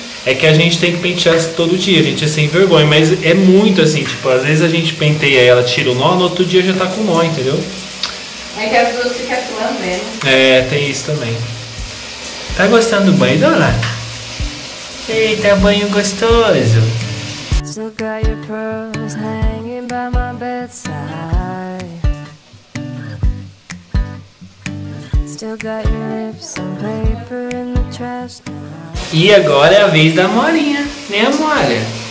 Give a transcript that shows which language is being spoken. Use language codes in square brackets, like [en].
[pt] É que a gente tem que pentear todo dia, a gente é sem vergonha. Mas é muito assim, tipo, às vezes a gente penteia ela, tira o nó, no outro dia já tá com nó, entendeu? É que as duas ficam suando mesmo. É, tem isso também. Tá gostando do banho, Dona? Eita, banho gostoso. [en] Still got your pearls hanging by my bedside. Still got your lips and paper in the trash. [pt] E agora é a vez da Morinha, né, Mora?